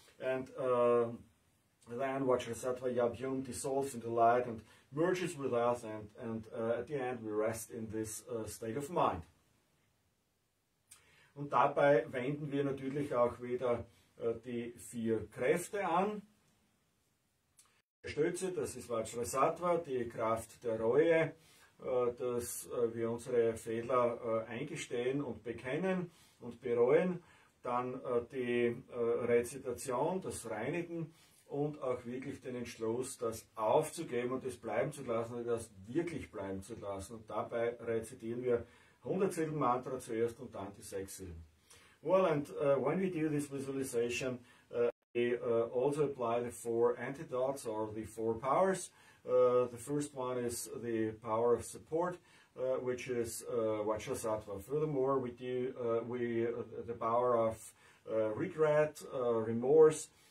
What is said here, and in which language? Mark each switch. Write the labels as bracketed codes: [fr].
[en] And then Vajrasattva Yabhyum dissolves into light and merges with us, and at the end we rest in this state of mind. [de] Und dabei wenden wir natürlich auch wieder die vier Kräfte an. Stütze, das ist Vajrasattva, die Kraft der Reue, dass wir unsere Fehler eingestehen und bekennen und bereuen. Dann die Rezitation, das Reinigen und auch wirklich den Entschluss, das aufzugeben und das bleiben zu lassen, das wirklich bleiben zu lassen. Und dabei rezitieren wir 100 Silben Mantra zuerst und dann die 6 Silben. [en] Well, and when we do this visualization, we also apply the four antidotes or the four powers. The first one is the power of support, which is Vajrasattva. Furthermore, we do the power of regret, remorse.